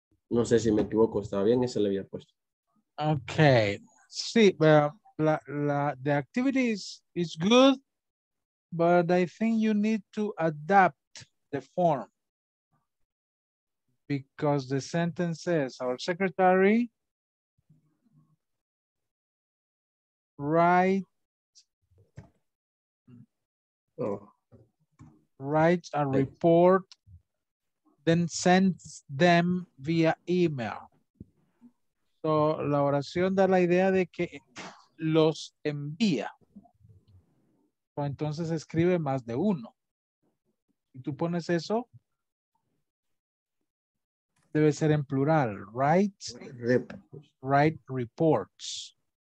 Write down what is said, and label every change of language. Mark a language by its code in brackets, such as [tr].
[es] No sé si me equivoco, estaba bien, ese le había puesto. Okay. [en] Sí, the activity is good, but I think you need to adapt the form. Because the sentence says, our secretary writes a report. Then sends them via email. [es] So la oración da la idea de que los envía. O entonces escribe más de uno. Y tú pones eso. Debe ser en plural. [en] Write reports.